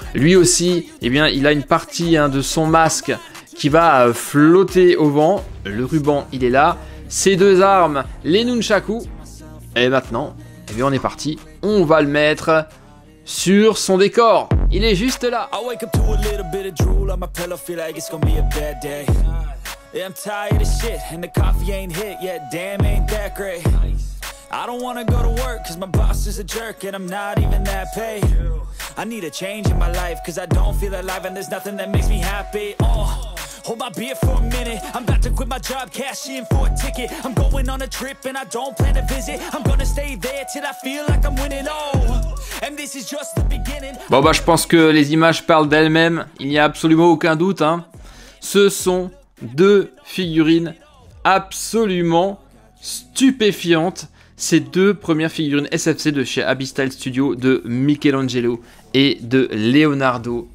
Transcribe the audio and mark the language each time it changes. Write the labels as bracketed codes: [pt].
[fr] Lui aussi, eh bien, il a une partie hein, de son masque qui va flotter au vent. Le ruban, il est là. Ses deux armes, les nunchaku. Et maintenant, eh bien on est parti, on va le mettre sur son décor. Il est juste là. [en] I wake up to a little bit of drool on my pillow, feel like it's gonna be a bad day. Yeah, I'm tired of shit and the coffee ain't hit yet, damn ain't that great. I don't wanna go to work cause my boss is a jerk and I'm not even that paid. I need a change in my life cause I don't feel alive and there's nothing that makes me happy. Oh. Hold my beer for a minute. I'm about to quit my job, cash in for a ticket. I'm going on a trip and I don't plan to visit. I'm gonna stay there till I feel like I'm winning all. And this is just the beginning. [fr] Bon bah je pense que les images parlent d'elles-mêmes. Il n'y a absolument aucun doute, hein. Ce sont deux figurines absolument stupéfiantes. ces deux premières figurines SFC de chez Abyssal Studio, de Michelangelo et de Leonardo.